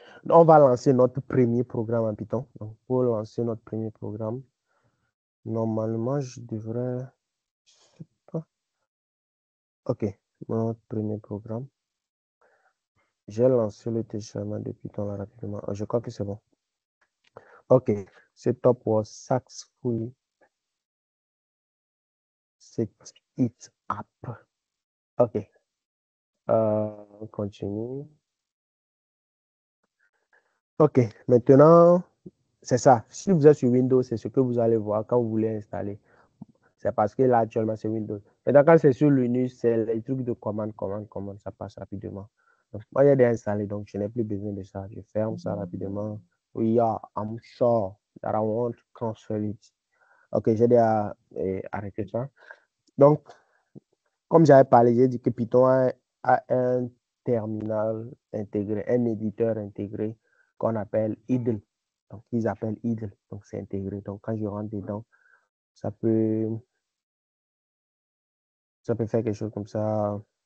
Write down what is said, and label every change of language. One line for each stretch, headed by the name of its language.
French: On va lancer notre premier programme en Python. Donc, pour lancer notre premier programme, normalement, je devrais. OK, notre premier programme. J'ai lancé le téléchargement de Python là, rapidement. Oh, je crois que c'est bon.
English: OK, setup was successfully set it up.
French: OK, on continue. OK, maintenant, c'est ça. Si vous êtes sur Windows, c'est ce que vous allez voir quand vous voulez installer. C'est parce que là, actuellement, c'est Windows. Maintenant, quand c'est sur Linux, c'est les trucs de commande, ça passe rapidement. Donc, moi, j'ai déjà installé, donc je n'ai plus besoin de ça. Je ferme ça rapidement.
English: Oui, I'm sure that I want to cancel it.
French: OK, j'ai déjà arrêté ça. Donc, comme j'avais parlé, j'ai dit que Python a un terminal intégré, un éditeur intégré qu'on appelle IDLE. Donc, ils appellent IDLE. Donc, c'est intégré. Donc, quand je rentre dedans, ça peut faire quelque chose comme ça.